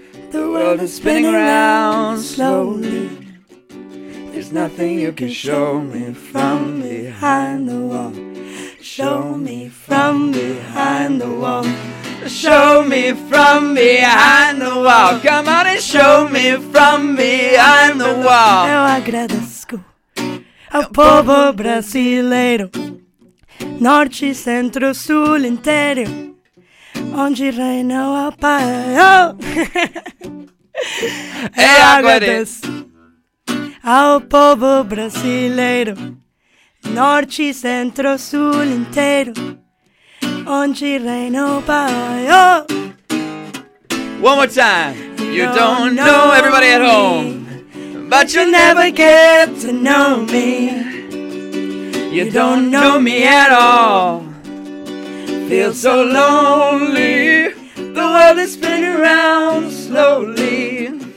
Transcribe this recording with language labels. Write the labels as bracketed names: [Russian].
[English] The world is spinning around slowly. There's nothing you can show me from behind the wall. Show me from behind the wall. Show me from behind the wall. Come on and show me from behind the wall. [Portuguese] Eu agradeço ao povo brasileiro, norte, centro, sul, inteiro, onde reina o pai. Eu agradeço ao povo brasileiro, norte, centro, sul inteiro, onde reino pai. [English] Oh! One more time. You don't know everybody at home, but you'll never get to know me. You don't know me at all. Feel so lonely. The world is spinning around slowly.